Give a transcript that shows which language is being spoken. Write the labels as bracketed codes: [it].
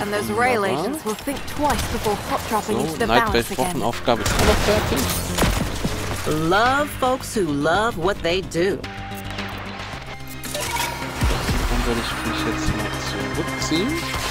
[en] And those rail agents will think twice before hot dropping so, into the balance again. [de] Aufgabe ist noch fertig. [en] Love folks who love what they do. [de] Dann werde ich mich jetzt mal zurückziehen.